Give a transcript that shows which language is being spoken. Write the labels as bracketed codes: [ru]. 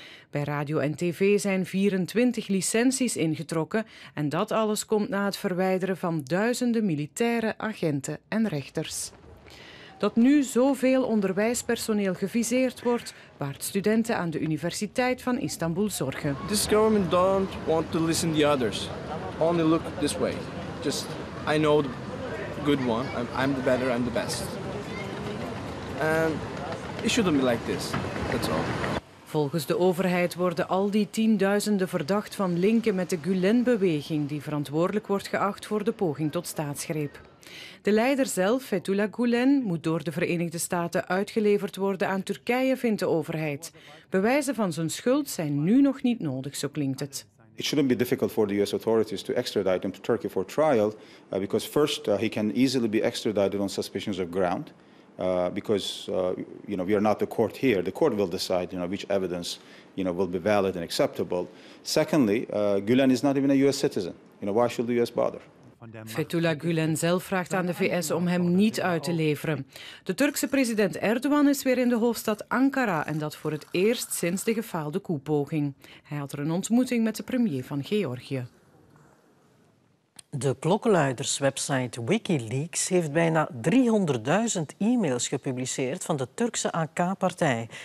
[nl] Bij radio en tv zijn 24 licenties ingetrokken en dat alles komt na het verwijderen van duizenden militairen, agenten en rechters. Dat nu zoveel onderwijspersoneel geviseerd wordt, baart studenten aan de Universiteit van Istanbul zorgen. [en] This government don't want to listen to the others. Only look this way. Just I know the good one. I'm the better, I'm the best. And it shouldn't be like this. That's all. [nl] Volgens de overheid worden al die tienduizenden verdacht van linken met de Gulen-beweging die verantwoordelijk wordt geacht voor de poging tot staatsgreep. De leider zelf, Fethullah Gulen, moet door de Verenigde Staten uitgeleverd worden aan Turkije, vindt de overheid. Bewijzen van zijn schuld zijn nu nog niet nodig, zo klinkt het. [en] It shouldn't be difficult for the US authorities to extradite him to Turkey for trial, because first he can easily be extradited on suspicions of ground. Because we are not the court here. The court will decide, you know, which evidence, you know, will be valid and acceptable. Secondly, Gulen is not even a US citizen. You know, why should the US bother? [nl] Fethullah Gulen zelf vraagt aan de VS om hem niet uit te leveren. De Turkse president Erdogan is weer in de hoofdstad Ankara en dat voor het eerst sinds de gefaalde coup-poging. Hij had er een ontmoeting met de premier van Georgië. De klokkenluiderswebsite Wikileaks heeft bijna 300.000 e-mails gepubliceerd van de Turkse AK-partij.